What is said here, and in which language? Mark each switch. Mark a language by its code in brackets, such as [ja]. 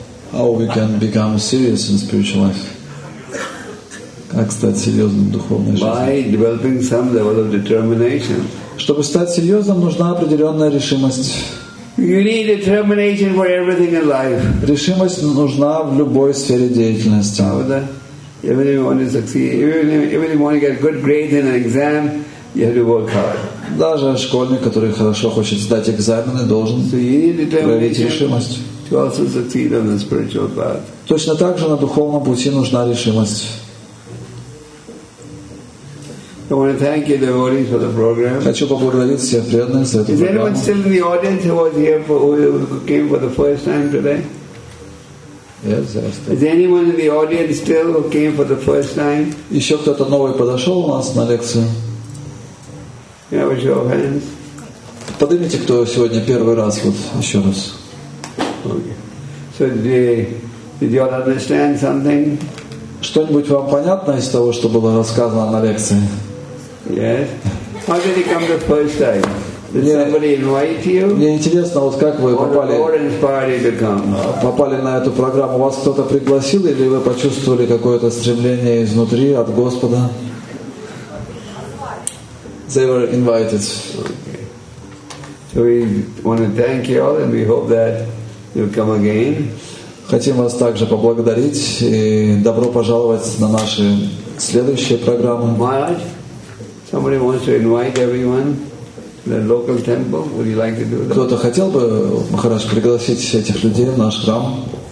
[en] How we can become serious in spiritual life? [ru] Как стать серьезным в духовной жизни? [en] By developing some level of determination. [ru] Чтобы стать серьезным, нужна определенная решимость. [en] You need determination for everything in life. [ru] Решимость нужна в любой сфере деятельности. [en] Even if you want to succeed, even if you want to get good grades in an exam, you have to work hard. [ru] Даже школьник, который хорошо хочет сдать экзамены, должен проявить решимость. [en] To also succeed on the spiritual path. [ru] Точно так же на духовном пути нужна решимость. [en] I want to thank you, devotees, for the program. [ru] Хочу поблагодарить всех преданных за эту программу. [en] Is anyone still in the audience who was here for who came for the first time today? Yes, is anyone in the audience still who came for the first time? [ru] Еще кто-то новый подошел у нас на лекцию? [en] Yeah, with your hands. [ru] Поднимите, кто сегодня первый раз вот еще раз. [en] Okay. So did you all understand something? [ru] Что-нибудь вам понятно из того, что было рассказано на лекции? [en] Yes. How did you come the first time? Did somebody invite you? [ru] Мне интересно, вот как вы попали на эту программу. Вас кто-то пригласил или вы почувствовали какое-то стремление изнутри от Господа? [en] They were invited. Okay. So we want to thank you all and we hope that you'll come again. [ru] Хотим вас также поблагодарить и добро пожаловать на наши следующие программы. [en] Maharaj, somebody wants to invite everyone. The local temple. Would you like to do that? [ru] Кто-то хотел бы, Махарадж, пригласить этих людей в наш храм?